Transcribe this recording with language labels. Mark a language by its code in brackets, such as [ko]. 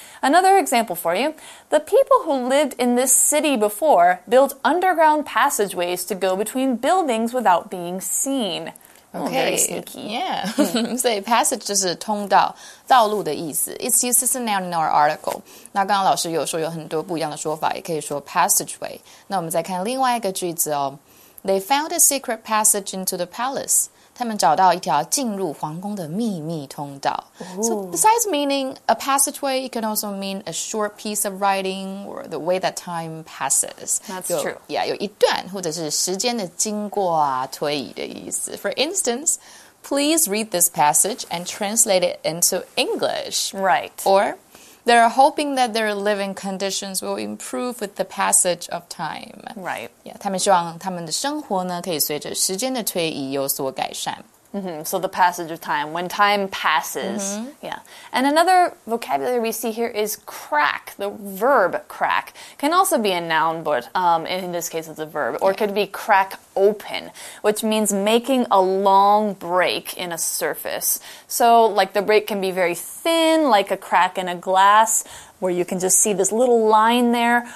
[en] Another example for you, the people who lived in this city before built underground passageways to go between buildings without being seen. Okay, oh, very sneaky. Yeah, so [zh] passage 就是通道、道路的意思。 [en] It's used as a noun in our article. [zh] 那刚刚老师有说有很多不一样的说法，也可以说 passageway。那我们再看另外一个句子哦。 [en] They found a secret passage into the palace. [zh] 他们找到一条进入皇宫的秘密通道。 [en] Ooh. So besides meaning a passageway, it can also mean a short piece of writing or the way that time passes. That's true. Yeah, [zh] 有一段或者是时间的经过啊，推移的意思。 [en] For instance, please read this passage and translate it into English. Right. Or... They're hoping that their living conditions will improve with the passage of time. Right. Yeah, 他们希望他们的生活呢可以随着时间的推移有所改善。 Mm-hmm. So the passage of time, when time passes.、 Mm-hmm. Yeah. And another vocabulary we see here is crack. The verb crack can also be a noun, but、in this case it's a verb. Or it could be crack open, which means making a long break in a surface. So like the break can be very thin, like a crack in a glass, where you can just see this little line there.